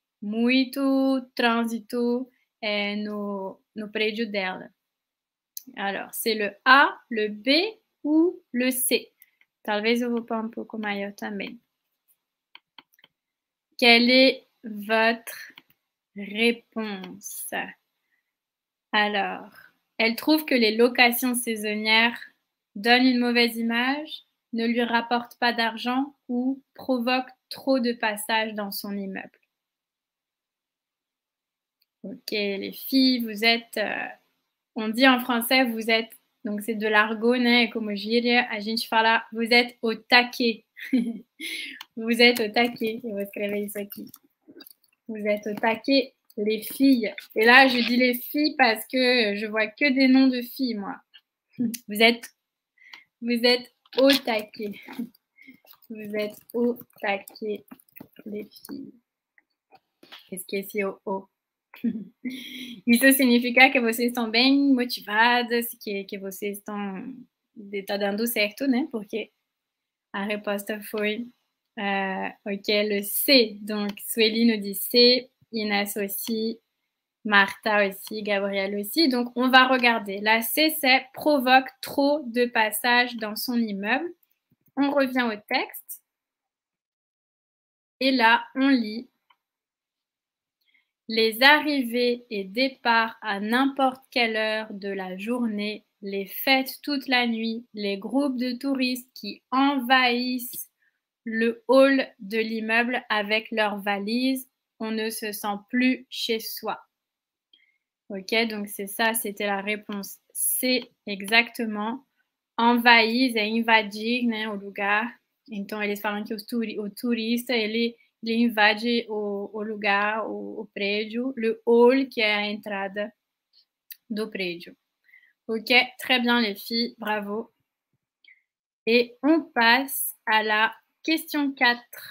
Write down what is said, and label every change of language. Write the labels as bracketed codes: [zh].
[pt] Muito trânsito no prédio dela. [fr] Alors, c'est le A, le B ou le C? [pt] Talvez eu vou pôr um pouco maior também. [fr] Quelle est votre réponse? Alors, elle trouve que les locations saisonnières donnent une mauvaise image, ne lui rapportent pas d'argent ou provoquent trop de passages dans son immeuble. Ok, les filles, vous êtes. On dit en français, vous êtes. Donc, c'est de l'argot, [pt] né? [fr] Comme je dirais, [pt] a gente fala, [fr] vous êtes au taquet. Vous êtes au taquet. Vous écrivez ça qui. Vous êtes au taquet, les filles. Et là, je dis les filles parce que je vois que des noms de filles, moi. Vous êtes au taquet. Vous êtes au taquet, les filles. Qu'est-ce qu'il y a ici au [pt] Isso significa que vocês estão bem motivadas, que vocês estão dando certo, né? Porque a resposta foi ok, [fr] le C. Donc, Sueli nous dit C, Inès aussi, Martha aussi, Gabrielle aussi. Donc, on va regarder. La C, c'est provoque trop de passages dans son immeuble. On revient au texte. Et là, on lit. Les arrivées et départs à n'importe quelle heure de la journée, les fêtes toute la nuit, les groupes de touristes qui envahissent le hall de l'immeuble avec leurs valises, on ne se sent plus chez soi. Ok, donc c'est ça, c'était la réponse C exactement. Envahissent et [pt] invadissent, né, au lugar. Então, eles falam que os turistas, eles. Ele invade o lugar, o prédio, [fr] le hall, [pt] que é a entrada do prédio. [fr] Ok, très bien, les filles, bravo. Et on passe à la question 4.